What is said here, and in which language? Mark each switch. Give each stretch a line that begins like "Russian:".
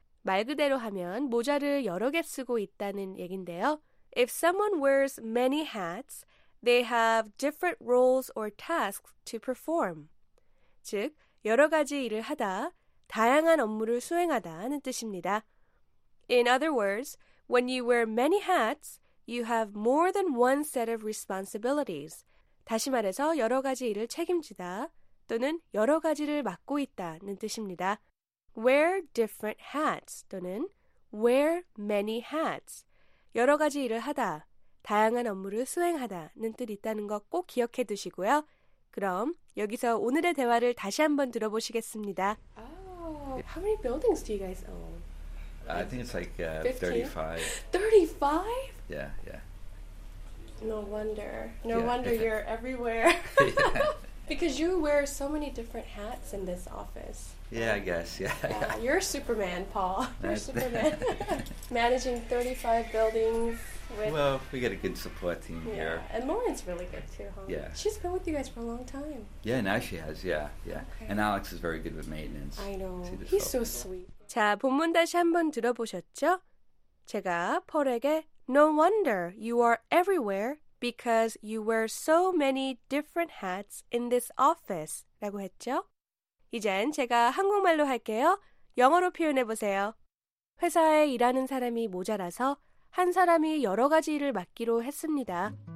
Korean: 말 그대로 하면 모자를 여러 개 쓰고 있다는 얘긴데요.
English: If someone wears many hats, they have different roles or tasks to perform.
Korean: 즉, 여러 가지 일을 하다, 다양한 업무를 수행하다 하는 뜻입니다.
English: In other words, when you wear many hats, you have more than one set of responsibilities.
Korean: 다시 말해서 여러 가지 일을 책임지다 또는 여러 가지를 맡고 있다는 뜻입니다.
English: Wear different hats
Korean: 또는
English: wear many hats.
Korean: 여러 가지 일을 하다, 다양한 업무를 수행하다는 뜻이 있다는 거 꼭 기억해 두시고요. 그럼 여기서 오늘의 대화를 다시 한번 들어보시겠습니다.
English: Oh, how many buildings do you guys own? I think it's like 35. 35? Yeah, yeah. No wonder. No wonder you're everywhere. Yeah. Because you wear so many different hats in this office. Yeah, I guess, yeah. You're Superman, Paul. You're Superman. Managing 35 buildings. Well, we got a good support team here. And Lauren's really good too, huh? Yeah. She's been with you guys for a long time. Yeah, now she has, yeah. Okay. And Alex is very good with maintenance. I know. He's so sweet.
Korean: 자, 본문 다시 한번 들어보셨죠? 제가 펄에게
English: No wonder you are everywhere because you wear so many different hats in this office
Korean: 라고 했죠? 이젠 제가 한국말로 할게요. 영어로 표현해 보세요. 회사에 일하는 사람이 모자라서 한 사람이 여러 가지 일을 맡기로 했습니다.